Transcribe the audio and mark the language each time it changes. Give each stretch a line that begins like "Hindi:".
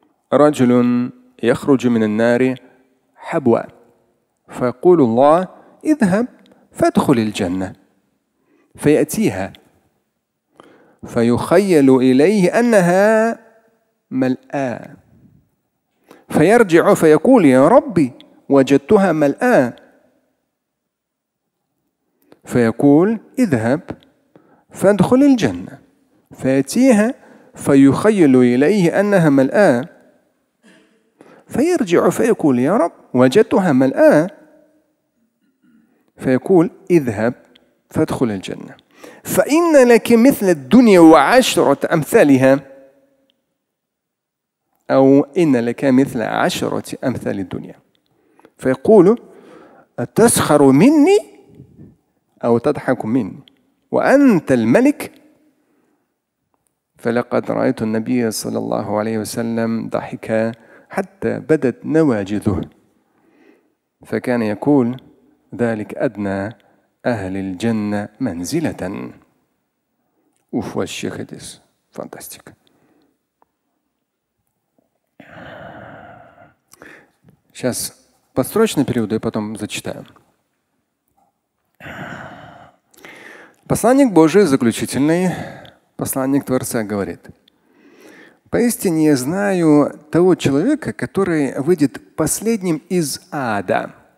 Arabic: Раджулун яхруджу минан нари хабва, фа якулу Аллах: идхаб, фадхуль джанна, фа ятиха, фа юхайялу илейхи аннаха мал'а. فيرجع فيقول يا ربي وجدتها ملآ فيقول اذهب فادخل الجنة فيأتيها فيخيل إليه أنها ملآ فيرجع فيقول يا رب وجدتها ملآ فيقول اذهب فادخل الجنة فإن لك مثل الدنيا وعشرة أمثالها أو إن لك مثل عشرة أمثال الدنيا. فيقول: أتسخر مني أو تضحك مني وأنت الملك؟ فلقد رأيت النبي صلى الله عليه وسلم ضحك حتى بدت نواجذه. فكان يقول: ذلك أدنى أهل الجنة منزلة. أوف والشيخ ديس فانتاستيك.
Russian: Сейчас подстрочно переведу и потом зачитаю. Посланник Божий, заключительный посланник Творца, говорит: «Поистине я знаю того человека, который выйдет последним из ада.